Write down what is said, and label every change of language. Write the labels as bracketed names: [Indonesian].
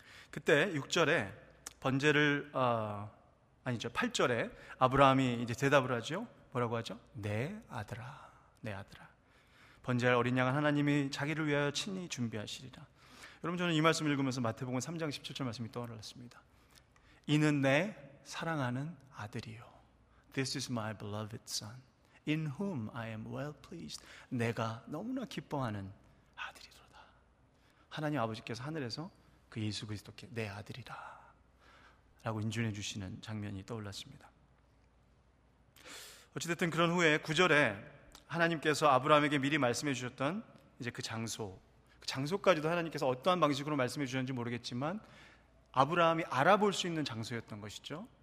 [Korean] 그때 6절에 번제를 아니죠 8절에 아브라함이 이제 대답을 하죠. 뭐라고 하죠? 내 아들아 내 아들아 번제할 어린 양은 하나님이 자기를 위하여 친히 준비하시리라. 여러분 저는 이 말씀을 읽으면서 마태복음 3장 17절 말씀이 떠올랐습니다. 이는 내 사랑하는 아들이요. [English] This is my beloved son in whom I am well pleased. [Korean] 내가 너무나 기뻐하는 아들이로다. 하나님 아버지께서 하늘에서 그 예수 그리스도께 내 아들이라 라고 인준해 주시는 장면이 떠올랐습니다. 어찌됐든 그런 후에 9절에 하나님께서 아브라함에게 미리 말씀해 주셨던 이제 그 장소, 그 장소까지도 하나님께서 어떠한 방식으로 말씀해 주셨는지 모르겠지만 아브라함이 알아볼 수 있는 장소였던 것이죠.